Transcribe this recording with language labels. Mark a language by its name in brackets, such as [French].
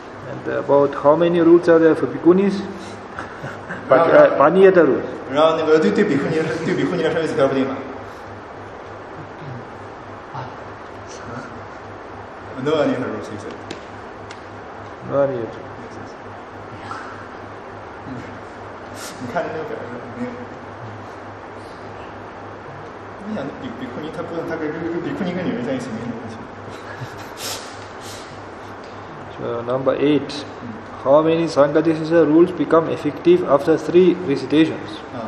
[English] And about how many rules are there for bhikkhunis? Pani Yata rules. [Chinese] 然后那个对比库尼，对比库尼来说有几条不定吗？啊？ [English] No Ani Yata rules, he said. No Ani Yata rules. [Chinese] 你看这个表示没有。你想比库尼他不能，他跟比库尼跟女人在一起没什么问题。 [English] Number 8. How many Sanghadesisa rules become effective after 3 recitations?